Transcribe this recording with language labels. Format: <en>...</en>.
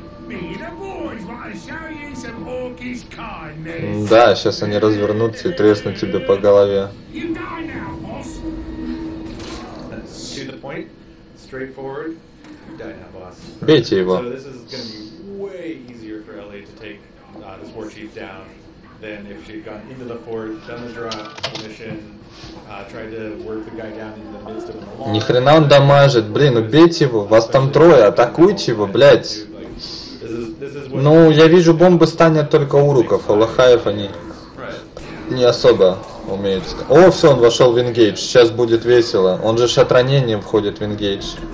<en>Me, the boys want to show you some orcish kindness.</en> <ru>Да, сейчас они развернутся и треснут тебе по голове.</ru> <en>You die now, boss. To the point. Straightforward. You die now, boss.</en> <ru>Бейте его.</ru> <en>So this is going to be way easier for LA to take this war chief down. Than if she'd gone into the fort, done the drop mission, tried to work the guy down in the midst of an alarm.</en> <ru>Ни хрена он дамажит, блин, убейте его, вас там трое, атакуйте его, блять. Ну, я вижу, бомбы станет только уруков, а лохаев они не особо умеют. О, все, он вошел в ингейдж, сейчас будет весело. Он же от ранения входит в ингейдж.</ru>